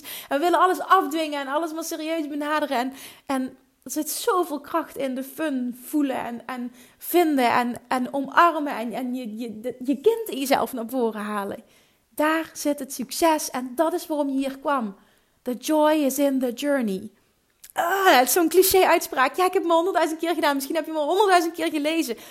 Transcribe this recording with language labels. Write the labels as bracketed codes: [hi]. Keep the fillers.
[nl] En we willen alles afdwingen en alles maar serieus benaderen. En, en er zit zoveel kracht in de fun voelen en, en vinden en, en omarmen en, en je, je, je kind in jezelf naar voren halen. Daar zit het succes en dat is waarom je hier kwam. [en] The joy is in the journey. [nl] Ah, het is zo'n cliché-uitspraak. Ja, ik heb me honderdduizend keer gedaan. Misschien heb je me honderdduizend keer gelezen.